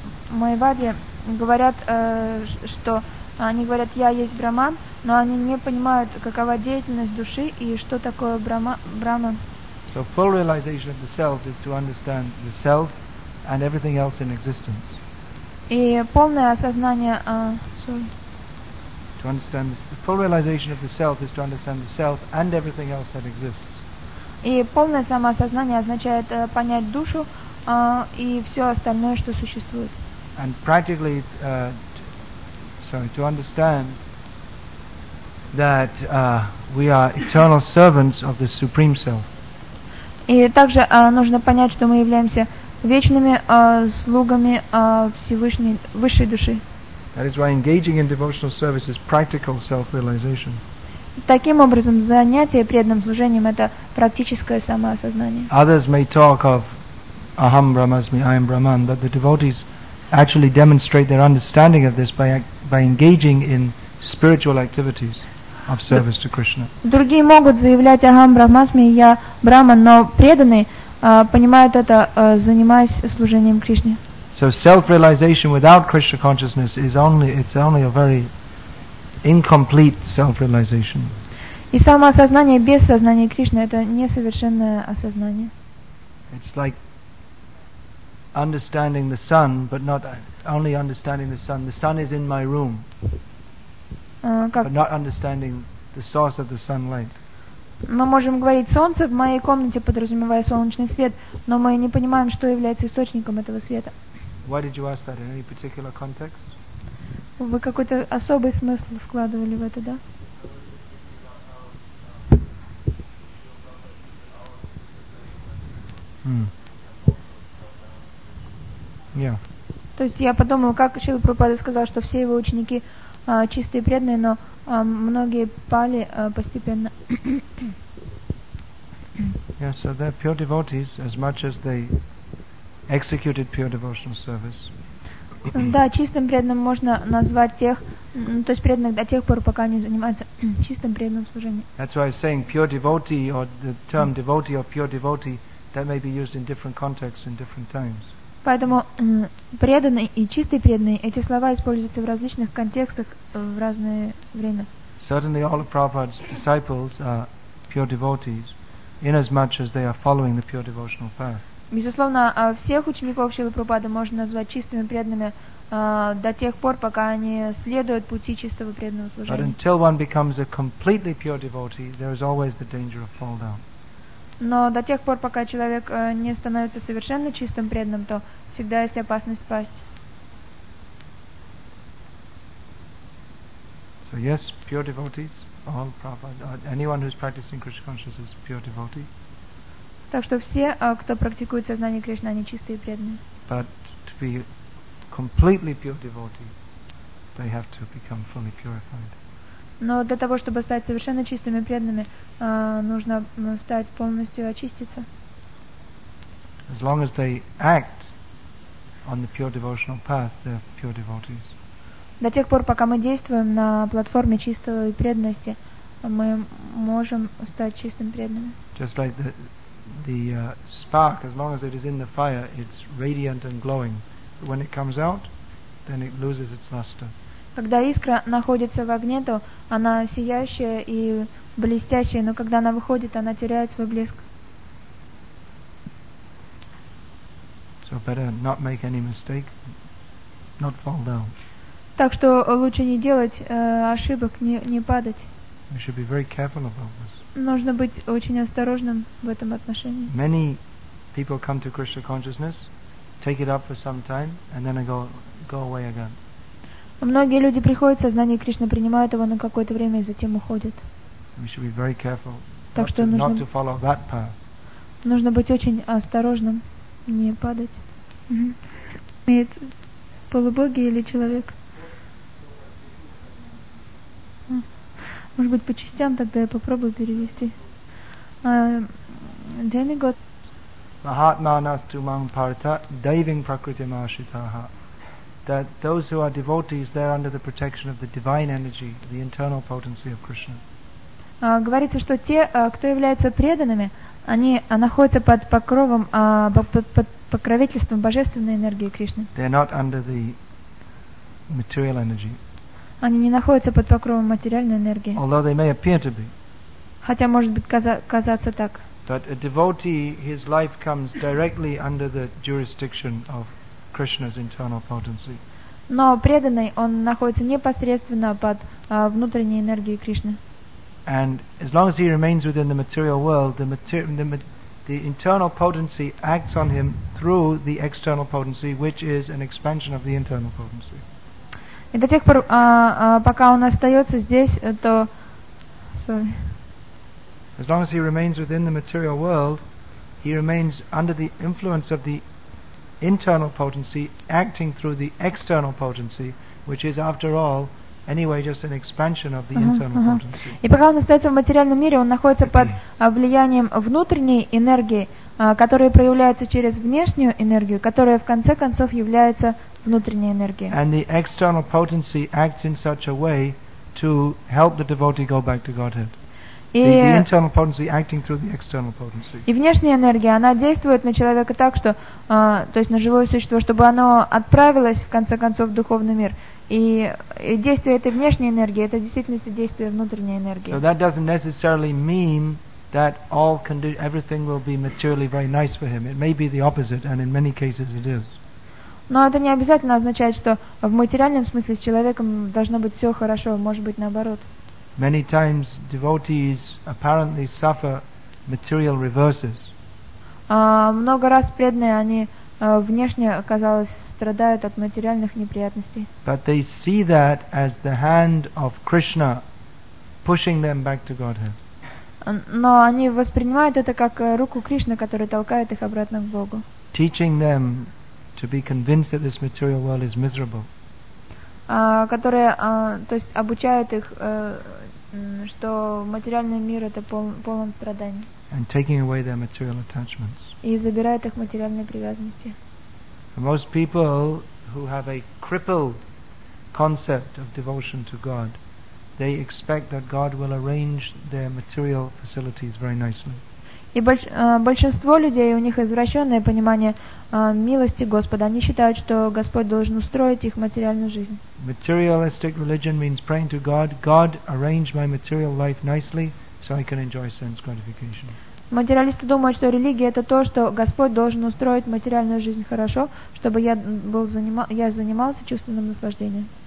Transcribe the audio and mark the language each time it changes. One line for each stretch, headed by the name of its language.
Russian: Mayavadi говорят, что они говорят, я есть Брахман, но они не понимают, какова деятельность души и что такое Брахман.
English: So full realization of the self is to understand the self and everything else in existence.
Russian: И полное осознание,
English: sorry. To understand the full realization of the self is to understand the self and everything else that exists.
Russian: И полное самоосознание означает понять душу и все остальное, что существует.
English: And practically, to understand that we are eternal servants of the Supreme Self.
Russian: И также нужно понять, что мы являемся вечными слугами Всевышней, Высшей Души.
English: That is why engaging in devotional service is practical self-realization.
Russian: Таким образом, занятие преданным служением – это практическое самоосознание.
English: Others may talk of
Sanskrit: aham brahmasmi,
English: I am Brahman, but the devotees actually demonstrate their understanding of this by engaging in spiritual activities of service to Krishna.
Russian: Другие могут заявлять
Sanskrit: Ахам Брахмасми,
Russian: я Брахман, но преданные понимают это, занимаясь служением Кришне.
English: So self-realization without Krishna consciousness is only a very incomplete self-realization.
Russian: И самоосознание без сознания Кришны – это несовершенное осознание.
English: It's like understanding the sun, but not only understanding the sun. The sun is in my room, but not understanding the source of the sunlight.
Russian: Мы можем говорить солнце в моей комнате, подразумевая солнечный свет, но мы не понимаем, что является источником этого света.
English: Why did you ask that in any particular context?
Russian: Вы какой-то особый смысл вкладывали в это, да? То есть я подумал, как Шрила Прабхупада сказал, что все его ученики чистые и преданные, но многие пали постепенно.
English: Yes, so they're pure devotees as much as they executed pure devotional service.
Russian: Да, чистым преданным можно назвать тех, то есть преданных до тех пор, пока они занимаются чистым преданным служением.
English: That's why I was saying pure devotee or the term devotee or pure devotee that may be used in different contexts in different times.
Russian: Поэтому преданный и чистый преданный, эти слова используются в различных контекстах в разное время.
English: Certainly all of Prabhupada's disciples are pure devotees, inasmuch as they are following the pure devotional path.
Russian: Безусловно, всех учеников Шрилы Прабхупады можно назвать чистыми преданными до тех пор, пока они следуют пути чистого преданного служения.
English: But until one becomes a completely pure devotee, there is always the danger of fall down.
Russian: Но до тех пор, пока человек не становится совершенно чистым преданным, то всегда есть опасность пасть.
English: So yes, pure devotees, all Prabhupada, anyone who is practicing Krishna consciousness is pure devotee.
Russian: Так что все, кто практикует сознание Кришны, они чистые и преданные.
English: But to be completely pure devotee, they have to become fully purified.
Russian: Но для того, чтобы стать совершенно чистыми и преданными, нужно стать полностью очиститься.
English: As long as they act on the pure devotional path, they're pure devotees.
Russian: До тех пор, пока мы действуем на платформе чистой преданности, мы можем стать чистым преданными.
English: Just like the spark, as long as it is in the fire, it's radiant and glowing. But when it comes out, then it loses its luster.
Russian: Когда искра находится в огне, то она сияющая и блестящая, но когда она выходит, она теряет свой блеск.
English: better not make any mistake, not fall down.
Russian: Так что лучше не делать ошибок, не падать.
English: We should be very careful about this.
Russian: Нужно быть очень осторожным в этом отношении.
English: Many people come to Krishna consciousness, take it up for some time, and then go away again.
Russian: Многие люди приходят в сознание Кришны, принимают его на какое-то время и затем уходят.
English: We should be very careful not to follow that path.
Russian: Нужно быть очень осторожным, не падать. Это полубоги или человек? Может быть, по частям тогда я попробую перевести.
English: Demigod.
Sanskrit: Mahatmanas tumang parita daiving prakritim ashitaha.
English: That those who are devotees, they are under the protection of the divine energy, the internal potency of Krishna.
Russian: Говорится, что те, кто являются преданными, они находятся под покровом, под покровительством божественной энергии Кришны.
English: They are not under the material energy.
Russian: Они не находятся под покровом материальной энергии.
English: Although they may appear to be.
Russian: Хотя может быть казаться так.
English: But a devotee, his life comes directly under the jurisdiction of Krishna's internal potency.
Russian: Но преданный, он находится непосредственно под внутренней энергией Кришны.
English: And as long as he remains within the material world, the internal potency acts on him through the external potency, which is an expansion of the internal potency.
Russian: И до тех пор, пока он остается здесь, то...
English: Sorry. As long as he remains within the material world, he remains under the influence of the internal potency, acting through the external potency, which is, after all, anyway, just an expansion of the internal potency.
Russian: И пока он остается в материальном мире, он находится под влиянием внутренней энергии, которая проявляется через внешнюю энергию, которая, в конце концов, является...
English: And the external potency acts in such a way to help the devotee go back to Godhead. The internal potency acting through the external potency.
Russian: И внешняя энергия, она действует на человека так, что, то есть на живое существо, чтобы оно отправилось в конце концов в духовный мир. И действие этой внешней энергии, это в действительности действие внутренней энергии.
English: So that doesn't necessarily mean that everything will be materially very nice for him. It may be the opposite, and in many cases it is.
Russian: Но это не обязательно означает, что в материальном смысле с человеком должно быть все хорошо, может быть наоборот.
English: Many times devotees apparently suffer material reverses.
Russian: Много раз преданные, они внешне, казалось, страдают от материальных неприятностей.
English: But they see that as the hand of Krishna pushing them back to Godhead.
Russian: Но они воспринимают это как руку Кришны, которая толкает их обратно к Богу.
English: Teaching them to be convinced that this material world is miserable.
Russian: То есть обучает их, что материальный мир это полон страданий.
English: And taking away their material attachments.
Russian: И забирает их материальные привязанности.
English: For most people who have a crippled concept of devotion to God, they expect that God will arrange their material facilities very nicely.
Russian: И большинство людей, у них извращенное понимание милости Господа. Они считают, что Господь должен устроить их материальную жизнь.
English: Materialistic religion means praying to God, God, arrange my material life nicely, so I can enjoy sense gratification.
Russian: Материалисты думают, что религия это то, что Господь должен устроить материальную жизнь хорошо, чтобы я занимался чувственным наслаждением.